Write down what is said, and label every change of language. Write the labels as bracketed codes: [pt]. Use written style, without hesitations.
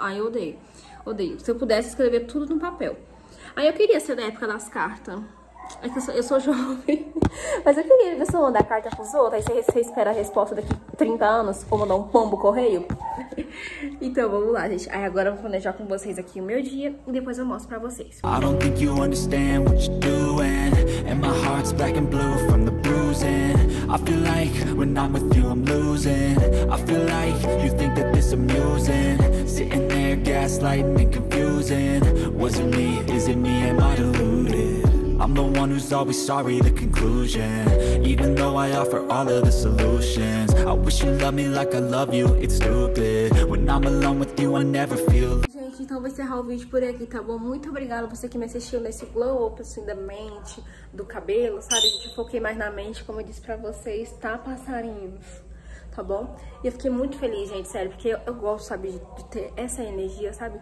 [pt] Ai, eu odeio. Odeio. Se eu pudesse, escrever tudo no papel. Aí eu queria ser da época das cartas. É que eu sou jovem. Mas eu queria ver se eu mandar carta pros outros. Aí você espera a resposta daqui 30 anos ou mandar um pombo correio. Então vamos lá, gente. Aí agora eu vou planejar com vocês aqui o meu dia e depois eu mostro pra vocês. [en] I don't think you understand what you're doing. And my heart's black and blue from the bruising. I feel like when I'm with you, I'm losing. I feel like you think that this amusing. Sitting there gaslighting and confusing. Was it me? Is it me? Am I deluded? I'm the one who's always sorry, the conclusion. Even though I offer all of the solutions, I wish you loved me like I love you, it's stupid. When I'm alone with you, I never feel. [pt] Então vou encerrar o vídeo por aqui, tá bom? Muito obrigada você que me assistiu nesse glow up assim, da mente, do cabelo, sabe? Gente, eu foquei mais na mente, como eu disse pra vocês, tá, passarinhos? Tá bom? E eu fiquei muito feliz, gente, sério, porque eu gosto, sabe, de ter essa energia, sabe?